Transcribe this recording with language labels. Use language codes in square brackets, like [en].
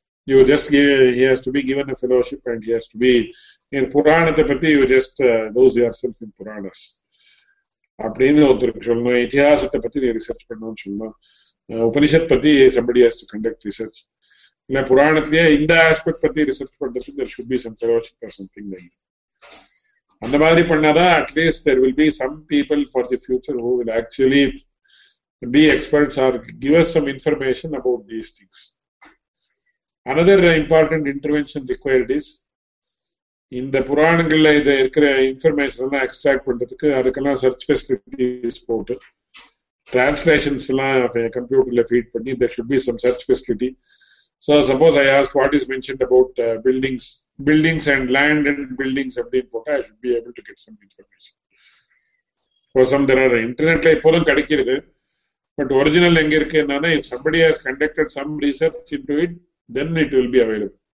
[en] You just give, he has to be given a fellowship and he has to be in Puranatapati, you just lose yourself in Puranas. [ta] அப்படின்னு ஒருத்தருக்கு சொல்லணும். இத்திஹாசத்தை பத்தி நீ research பண்ணணும்னு சொல்லணும். உபனிஷத் பத்தி [en] Somebody has to conduct research. [ta] இல்ல புராணத்திலேயே இந்த ஆஸ்பெக்ட் பத்தி ரிசர்ச் பண்றது, [en] There should be some fellowship or something like. [ta] அந்த மாதிரி பண்ணாதான் [en] At least there will be some people for the future who will actually be experts or give us some information about these things. Another important intervention required is [ta] இந்த புராணங்கள்ல இதை இருக்கிற information எல்லாம் extract பண்றதுக்கு அதுக்கெல்லாம் சர்ச் ஃபெசிலிட்டிஸ் போட்டு translations எல்லாம் கம்ப்யூட்டர்ல ஃபீட் பண்ணி [en] There should be some search facility. So suppose I ask what is mentioned about buildings, buildings and land and buildings, I should be able to get some information. For some, there are internet, but original language, if somebody has conducted some research into it, then it will be available.